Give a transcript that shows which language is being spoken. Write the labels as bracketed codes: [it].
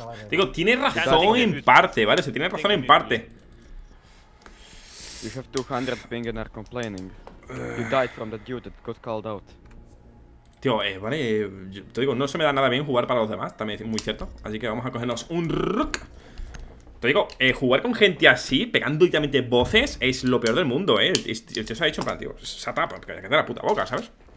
[es] Digo, tiene razón en parte, ¿vale? Se tiene razón en parte. [en] You have 200 ping and are complaining. You died from the dude that got called out. [es] Tío, vale, te digo, no se me da nada bien jugar para los demás, también es muy cierto. Así que vamos a cogernos un rook. Te digo, jugar con gente así, pegando directamente voces, es lo peor del mundo, ¿eh? El tío se ha dicho en plan, tío, [en] shut up, [es] que te da la puta boca, ¿sabes?